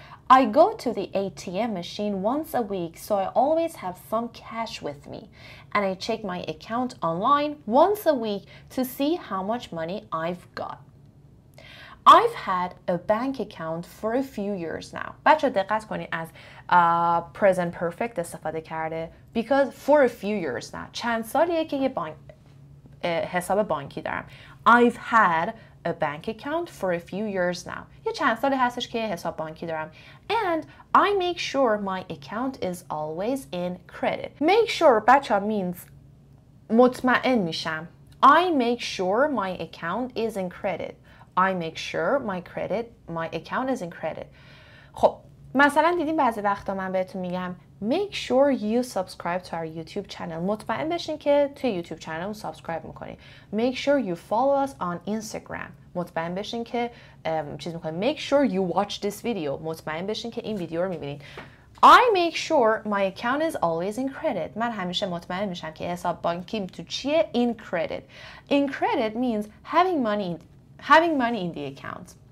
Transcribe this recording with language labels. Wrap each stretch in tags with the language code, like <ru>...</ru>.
<en>I go to the ATM machine once a week, so I always have some cash with me. And I check my account online once a week to see how much money I've got. I've had a bank account for a few years now.</en> <fa>بچه دقت کنید از present perfect استفاده کرده.</fa> <en>Because for a few years now.</en> <fa>چند سالیه که یه حساب بانکی دارم.</fa> <en>I've had a bank account for a few years now.</en> <fa>یه چند سالی هستش که حساب بانکی دارم.</fa> <en>And I make sure my account is always in credit. Make sure بچه means</en> <fa>مطمئن میشم.</fa> <en>I make sure my account is in credit. I make sure my account is in credit.</en> <fa>خب مثلا دیدیم بعضی وقتا من بهتون میگم</fa> <en>make sure you subscribe to our YouTube channel.</en> <fa>مطمئن بشین که توی یوتیوب کانالمون سابسکرایب میکنی.</fa> <en>Make sure you follow us on Instagram.</en> <fa>مطمئن بشین که چیز میکنی.</fa> <en>Make sure you watch this video.</en> <fa>مطمئن بشین که این ویدیو رو میبینید.</fa> <en>I make sure my account is always in credit.</en> <fa>من همیشه مطمئن میشم که حساب بانکیم تو چیه؟</fa> <en>In credit. In credit means having money in the account.</en>